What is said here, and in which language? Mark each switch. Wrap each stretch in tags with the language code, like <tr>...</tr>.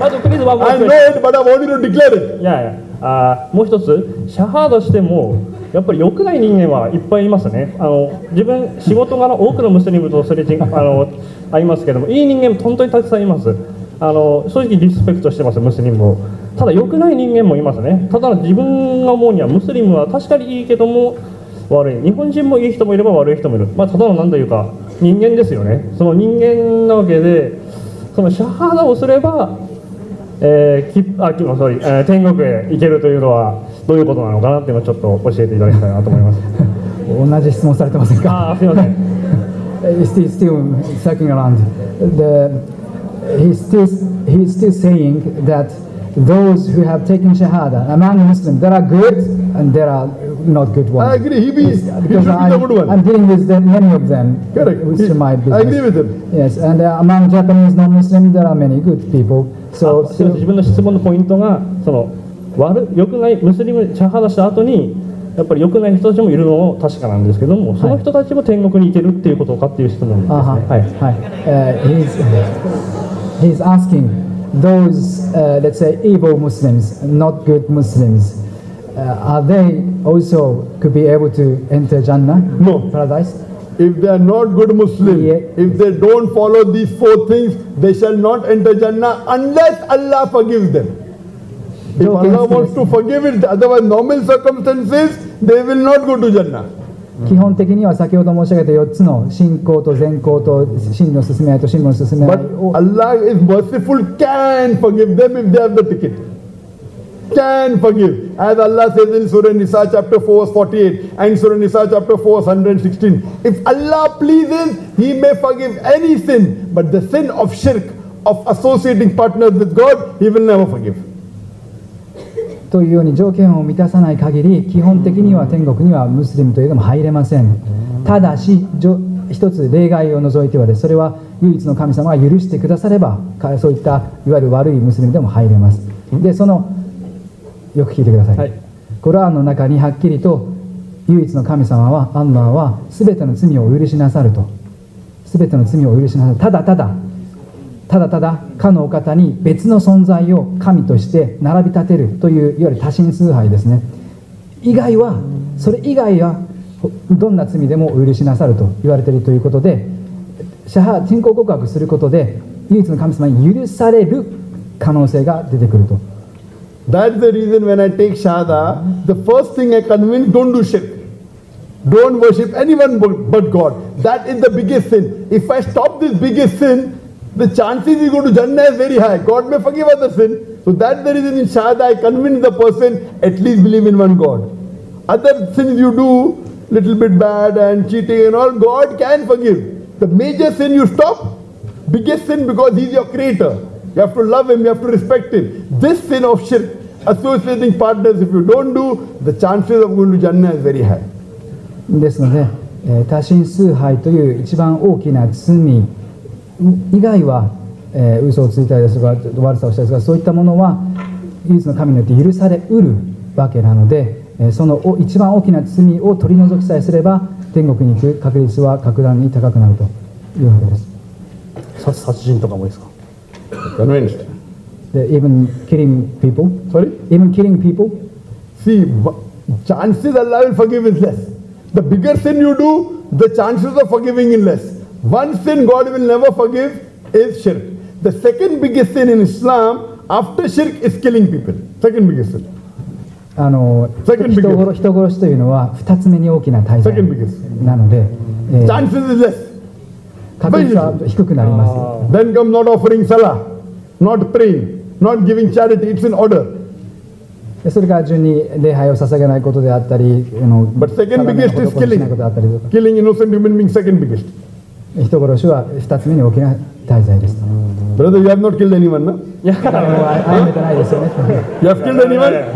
<en>I know it, but I want you to declare it. Yeah, yeah.</en> <ja>もう一つ、シャハードしてもやっぱり良くない人間はいっぱいいますね。自分仕事柄多くのムスリムとそれ会いますけども、いい人間も本当にたくさんいます。正直リスペクトしてますムスリムを。ただ良くない人間もいますね。ただ自分が思うにはムスリムは確かにいいけども。悪い日本人もいい人もいれば悪い人もいる、まあ、ただの何というか人間ですよね。その人間なわけで、そのシャハダをすれば、天国へ行けるというのはどういうことなのかなというのをちょっと教えていただきたいなと思います。同じ質問されてませんか。あ、すいません。</ja> <en>He's still circling around. He's still saying that those who have taken shahada among Muslims, there are goodAnd there are not good ones. I agree. He should be the good one. I'm dealing with them, many of them. Correct. Which is my business. I agree with him. Yes. And among Japanese non-Muslims, there are many good people. So, my question point is that the bad, good Muslim</en> <ja>shahada した後に、やっぱり良くない人たちもいるのも確かなんですけども、はい、その人たちも天国に行けるっていうことかっていう質問ですね。 Uh-huh. はい。はい。</ja> <en>He's asking those, let's say, evil Muslims, not good Muslims. Are they also could be able to enter Jannah? No. Paradise? If they are not good Muslim, yeah. If they don't follow these four things, they shall not enter Jannah unless Allah forgives them. If Allah wants to forgive it, otherwise normal circumstances, they will not go to Jannah.</en> <ja>基本的には先ほど申し上げた4つの信仰と善行と真理の進め合いと真理の進め合い。</ja> <en>But Allah is merciful, can forgive them if they have the ticket. can forgive. As Allah says in Surah Nisa chapter 4 verse 48 and Surah Nisa chapter 4 verse 116. If Allah pleases, He may forgive any sin, but the sin of shirk, of associating partners with God, He will never forgive.</en> <ja>というように条件を満たさない限り基本的には天国にはムスリムといえども入れません。ただし一つ例外を除いては、でそれは唯一の神様が許してくだされ、ばそういったいわゆる悪いムスリムでも入れます。でそのよく聞いてください、はい、コラーンの中にはっきりと唯一の神様はアンナーは全ての罪を許しなさると、全ての罪を許しなさる、ただただただただかのお方に別の存在を神として並び立てるといういわゆる多神崇拝ですね、以外はそれ以外はどんな罪でもお許しなさると言われているということで、シャハ信仰告白することで唯一の神様に許される可能性が出てくると。</ja> <en>That's the reason when I take Shahada, the first thing I convince, don't do shirk. Don't worship anyone but God. That is the biggest sin. If I stop this biggest sin,the chances you go to Jannah is very high. God may forgive other sin. So that's the reason in Shahada I convince the person at least believe in one God. Other sins you do, little bit bad and cheating and all, God can forgive. The major sin you stop, biggest sin, because He's your creator. You have to love Him, you have to respect Him. This sin of shirk, associating partners, if you don't do, the chances of going to Jannah is very high.</en> <ja>ですので、多神崇拝という一番大きな罪以外は、嘘をついたりですとか悪さをしたりですが、そういったものは唯一の神によって許されうるわけなので、その一番大きな罪を取り除きさえすれば天国に行く確率は格段に高くなるというわけです。殺人とかもですか？</ja> <en>Convinced. Even killing people? Sorry? Even killing people? See, chances Allah will forgive is less. The bigger sin you do, the chances of forgiving is less. One sin God will never forgive is shirk. The second biggest sin in Islam after shirk is killing people. Second biggest sin. Second biggest.</en> <ja>人殺しというのは2つ目に大きな大罪。</ja> <en>Second biggest.</en> <ja>なので、</ja> <en>chances is less.</en> <ja>確率は低くなります。</ja> <en>Then come not offering salah, not praying, not giving charity. It's in order.</en> <ja>それから順に礼拝を捧げないことであったり、</ja> <en>But second biggest is killing. Killing innocent human beings, second biggest.</en> <ja>人殺しは二つ目に大きな大罪です。</ja> <en>Brother, you have not killed anyone, no? You have killed anyone?</en>